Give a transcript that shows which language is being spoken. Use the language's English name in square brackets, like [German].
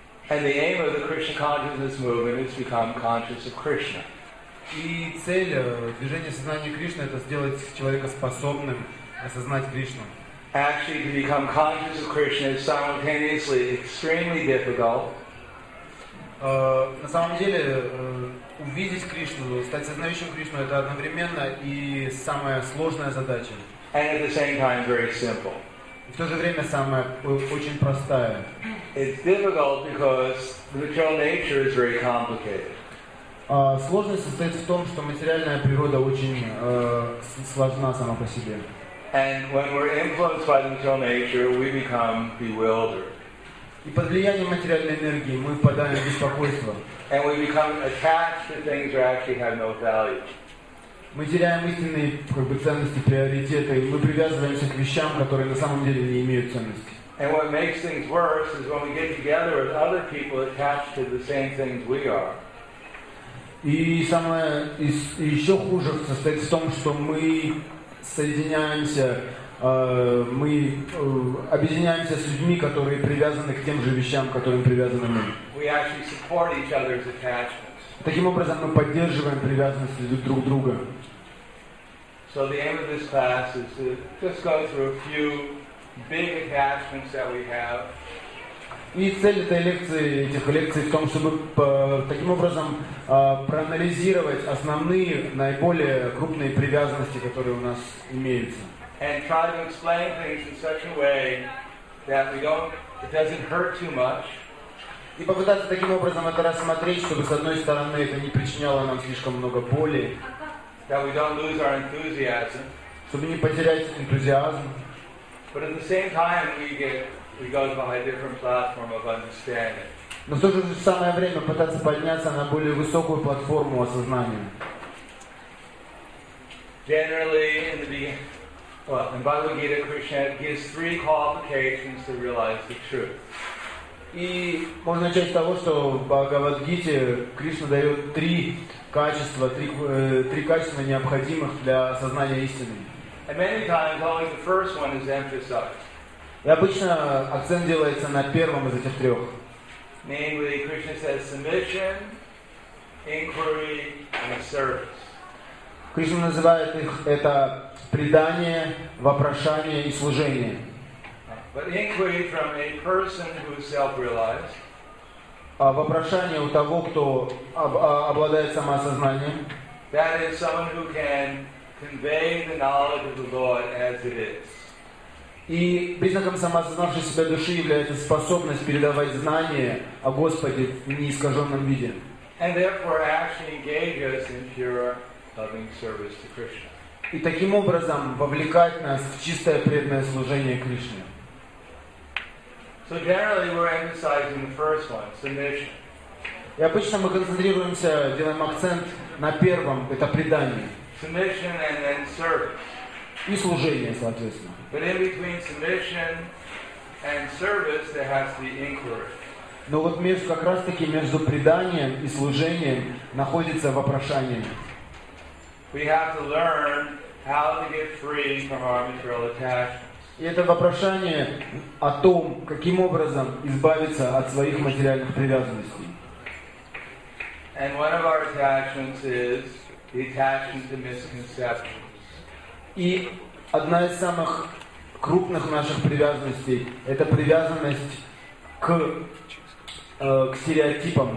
[English] And the aim of the Krishna consciousness movement is to become conscious of Krishna. [Russian] И цель движения сознания Кришны — это сделать человека способным осознать Кришну. [English] Actually, to become conscious of Krishna is simultaneously extremely difficult. [Russian] На самом деле, увидеть Кришну, стать сознающим Кришну — это одновременно и самая сложная задача. [English] And at the same time, very simple. [Russian] В то же время самая очень простая. [English] It's difficult because the material nature is very complicated. [Russian] Сложность состоит в том, что материальная природа очень сложна сама по себе. [English] And when we're influenced by the material nature, we become bewildered. [Russian] И под влиянием материальной энергии мы впадаем в беспокойство. [English] And we become attached to things that actually have no value. [Russian] Мы теряем истинные как бы, ценности, приоритеты, и мы привязываемся к вещам, которые на самом деле не имеют ценности. [English] And what makes things worse is when we get together with other people attached to the same things we are. [Russian] И самое еще хуже состоит в том, что мы соединяемся, мы объединяемся с людьми, которые привязаны к тем же вещам, к которым привязаны мы. [English] We actually support each other's attachment. [Russian] Таким образом, мы поддерживаем привязанность друг к другу. [English] So the aim of this class is to just go through a few big attachments that we have. [Russian] И цель этой лекции, этих лекций, в том, чтобы таким образом проанализировать основные, наиболее крупные привязанности, которые у нас имеются. [English] And try to explain things in such a way that we don't, it doesn't hurt too much. [Russian] И попытаться таким образом это рассмотреть, чтобы с одной стороны это не причиняло нам слишком много боли, [English] that we don't lose our enthusiasm, [Russian] чтобы не потерять энтузиазм. [English] But at the same time we go by a different platform of understanding. [Russian] Но в то же самое время пытаться подняться на более высокую платформу осознания. [English] Generally, in the beginning, well, in Bhagavad Gita, Krishna gives three qualifications to realize the truth. [Russian] И можно начать с того, что в Бхагавад-гите Кришна дает три качества, необходимых для осознания истины. [English] And many times, always the first one is emphasized. [Russian] И обычно акцент делается на первом из этих трех. [English] Namely, Krishna says submission, inquiry, and service. [Russian] Кришна называет их это предание, вопрошание и служение. [English] But inquiry from a person who is self-realized. [Russian] Вопрошание у того, кто обладает самоосознанием. [English] That is someone who can convey the knowledge of the Lord as it is. [Russian] И признаком самоосознавшей себя души является способность передавать знания о Господе в неискаженном виде. [English] And therefore actually engages in pure loving service to Krishna. [Russian] И таким образом вовлекать нас в чистое преданное служение Кришне. [English] So generally, we're emphasizing the first one, submission. [Russian] И обычно мы концентрируемся, делаем акцент на первом, это предание. [English] Submission and then service. [Russian] И служение, соответственно. [English] But in between submission and service, there has to be inquiry. [Russian] Но вот между как раз таки между преданием и служением находится вопрошание. [English] We have to learn how to get free from our material attachments. [Russian] И это вопрошание о том, каким образом избавиться от своих материальных привязанностей. [English] And one of our attachments is the attachment to misconceptions. [Russian] И одна из самых крупных наших привязанностей – это привязанность к стереотипам.